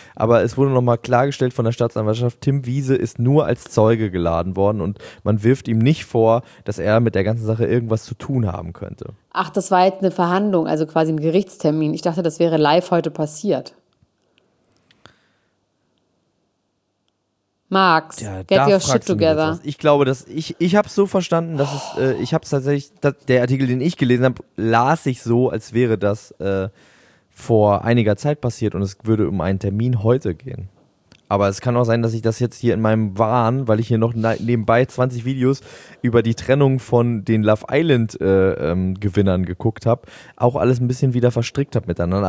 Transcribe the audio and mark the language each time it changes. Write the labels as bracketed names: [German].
[German] Aber es wurde nochmal klargestellt von der Staatsanwaltschaft, Tim Wiese ist nur als Zeuge geladen worden. Und man wirft ihm nicht vor, dass er mit der ganzen Sache irgendwas zu tun haben könnte. Ach, das war jetzt eine Verhandlung, also quasi ein Gerichtstermin. Ich dachte, das wäre live heute passiert. [English] Max, ja, get your shit together. [German] Ich glaube, dass ich habe es so verstanden, dass es, ich habe es tatsächlich, dass der Artikel, den ich gelesen habe, las ich so, als wäre das vor einiger Zeit passiert und es würde um einen Termin heute gehen. Aber es kann auch sein, dass ich das jetzt hier in meinem Wahn, weil ich hier noch nebenbei 20 Videos über die Trennung von den Love Island Gewinnern geguckt habe, auch alles ein bisschen wieder verstrickt habe miteinander.